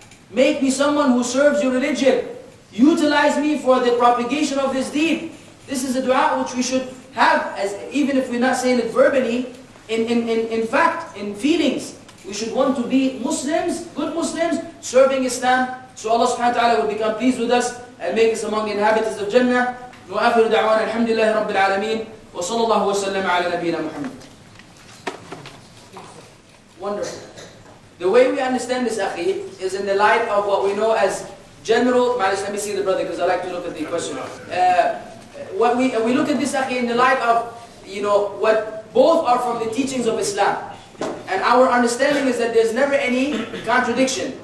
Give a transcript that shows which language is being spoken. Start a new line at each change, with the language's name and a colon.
English: Make me someone who serves your religion. Utilize me for the propagation of this deen. This is a dua which we should have, as even if we're not saying it verbally, in fact, in feelings. We should want to be Muslims, good Muslims, serving Islam. So Allah subhanahu wa ta'ala will become pleased with us and make us among the inhabitants of Jannah.
Arabic: نوافر دعوانا الحمد لله رب العالمين وصلى الله وسلم على نبينا محمد.
English: Wonderful. The way we understand this, akhi, is in the light of what we know as general. Let me see the brother because I like to look at the question. What we look at this, akhi, in the light of, you know, what both are from the teachings of Islam, and our understanding is that there's never any contradiction.